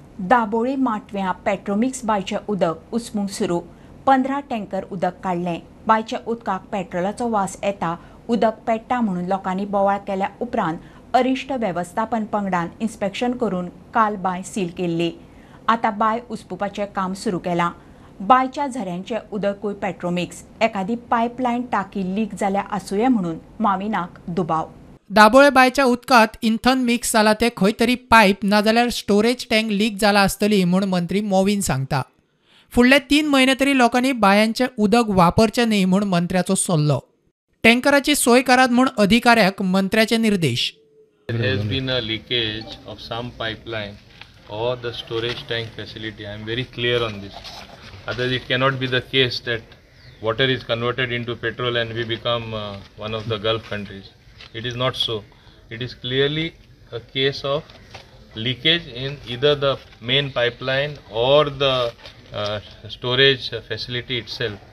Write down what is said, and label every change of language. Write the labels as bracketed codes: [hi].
[gom] दाबोळे माटव्या पेट्रोमिक्स बांयचे उदक उसमूंक सुरू. 15 टँकर उदक काडले. बांयच्या उदकाक पेट्रोलाचो वास येता, उदक पेट्टा म्हणून लोकांनी बोवाळ केल्या उपरांत अरिश्ट वेवस्थापन पंगडान इन्स्पेक्शन करून काल बांय सील केल्ली. आतां बांय उसपुपाचें काम सुरू केलां. बांयच्या झऱ्यांचें उदकूय पेट्रोमिक्स. एखादी पायपलायन टाकी लीक जाल्या आसूंये म्हणून मामिनाक दुबाव. दाबोळे बांयच्या उदकांत इंथन मिक्स जालां तें खंय तरी पायप नाजाल्यार स्टोरेज टँक लीक जालां आसतली म्हूण मंत्री मोवीन सांगता. फुडले 3 महिने तरी लोकांनी बांयांचें उदक वापरचें न्ही म्हूण मंत्र्याचो सल्लो. टँकराची सोय करात म्हूण अधिकाऱ्याक मंत्र्याचे निर्देश. [en] There has been a leakage of some pipeline or the storage tank facility. I am very clear on this. Otherwise, it cannot be the case that water is converted into petrol and we become one of the Gulf countries. It is not so. It is clearly a case of leakage in either the main pipeline or the storage facility itself.